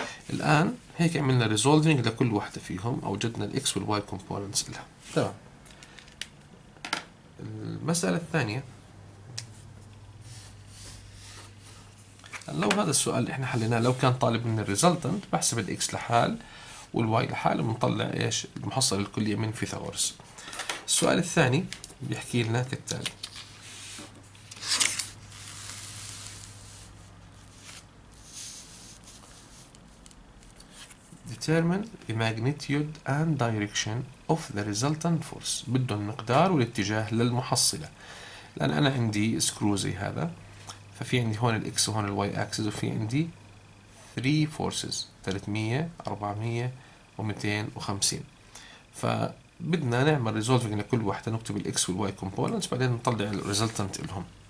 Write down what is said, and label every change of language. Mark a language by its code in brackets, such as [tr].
[ar] الآن هيك عملنا resolving لكل واحدة فيهم، أوجدنا الإكس والواي components إلها، تمام. المسألة الثانية، لو هذا السؤال اللي إحنا حليناه لو كان طالب من الريزلتنت، بحسب الإكس لحال والواي لحال، بنطلع إيش المحصلة الكلية من فيثاغورس. السؤال الثاني بيحكي لنا كالتالي: [en] Determine the magnitude and direction of the resultant force. [ar] بده المقدار والاتجاه للمحصلة. الآن أنا عندي سكرو زي هذا، ففي عندي هون الـ X وهون الـ Y axis، وفي عندي 3 forces 300 400 و250. فبدنا نعمل resolving لكل واحدة، نكتب الـ X والـ Y components بعدين نطلع الـ resultant لهم.